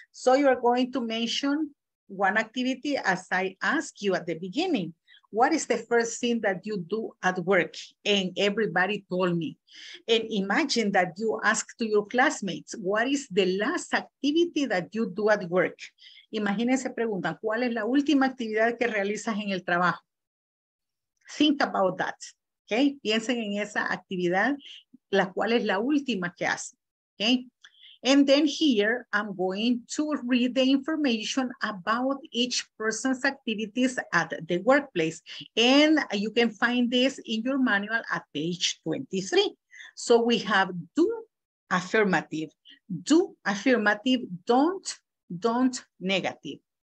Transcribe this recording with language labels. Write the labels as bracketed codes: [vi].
[en] So you are going to mention one activity as I ask you at the beginning. What is the first thing that you do at work? And everybody told me. And imagine that you ask to your classmates, what is the last activity that you do at work? [es] Imagínense, preguntan, ¿cuál es la última actividad que realizas en el trabajo? [en] Think about that, okay? [es] Piensen en esa actividad, la cual es la última que hacen, okay? [en] And then here, I'm going to read the information about each person's activities at the workplace. And you can find this in your manual at page 23. So we have do, affirmative. Do, affirmative, don't, negative.